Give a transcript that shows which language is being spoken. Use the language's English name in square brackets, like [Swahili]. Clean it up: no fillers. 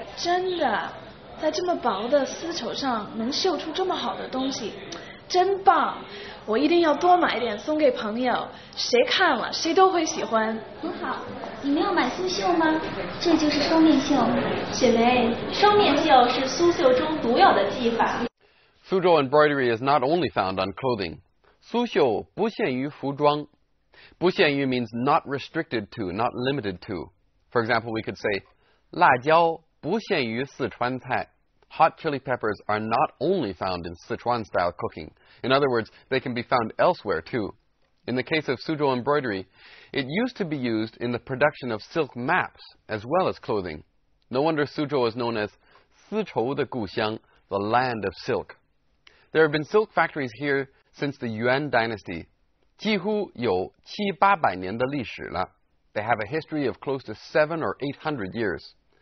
[Chinese] 真的，在这么薄的丝绸上能绣出这么好的东西，真棒，我一定要多买一点送给朋友，谁看了谁都会喜欢。很好，你没有买苏绣吗？这就是双面绣。雪梅，双面绣是苏绣中独有的技法。 [English] 苏州 embroidery is not only found on clothing. [Chinese] 苏绣不限于服装。不限于 [English] means not restricted to, not limited to. For example, we could say, [Chinese] 辣椒不限于四川菜。 [English] Hot chili peppers are not only found in Sichuan-style cooking. In other words, they can be found elsewhere, too. In the case of Suzhou embroidery, it used to be used in the production of silk maps, as well as clothing. No wonder Suzhou is known as Sichou de Guxiang, the land of silk. There have been silk factories here since the Yuan dynasty. [Chinese] 几乎有七八百年的历史了。 [English] They have a history of close to 700 or 800 years.